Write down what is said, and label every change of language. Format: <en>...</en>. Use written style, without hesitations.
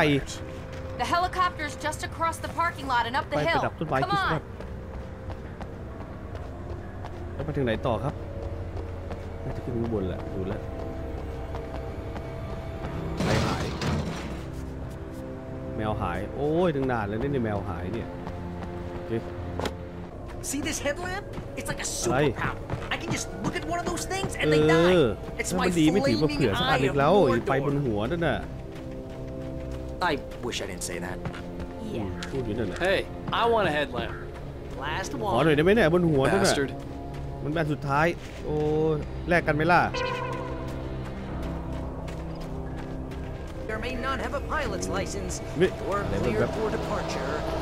<en>the helicopter's just across the parking lot and up the hill come on</en> <th>ไปถึงไหนต่อครับน่าจะขึ้นข้างบนแหละดูแล้วหายแมวหายโอ้ยตั้งนานแล้วเนี่ยแมวหายเนี่ย</th> <en>See this headlamp? It's like a superpower. I can just look at one of those things and they die. It's my flaming eye of Mordor. I wish I didn't say that. Yeah. Hey, I want a headlamp. Last one.</en> <th>ขอหน่อยได้ไหมเนี่ยบนหัวนั่นน่ะ</th> <en>Bastard.</en> <th>มันแบบสุดท้ายโอ้แลกกันไหมล่ะ</th> <en>There may not have a pilot's license or clear for departure.</en>